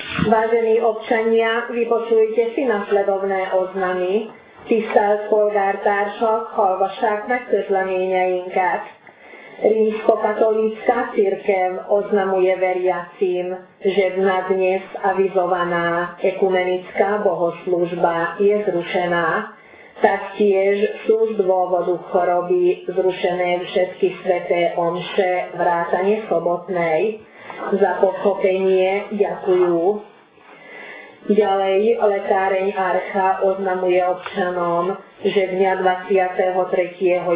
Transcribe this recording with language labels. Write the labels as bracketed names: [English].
[Slovak] Vážení občania, vypočujte si nasledovné oznamy. [Hungarian] Tisztelt polgártársak, hallgassák meg közleményeinket. [Slovak] Rímskokatolická církev oznamuje veriacím, že na dnes avizovaná ekumenická bohoslužba je zrušená. Taktiež sú z dôvodu choroby zrušené všetky sväté omše vrátane sobotnej. Za pochopenie ďakujú. Ďalej lekáreň Archa oznamuje občanom, že dňa 23.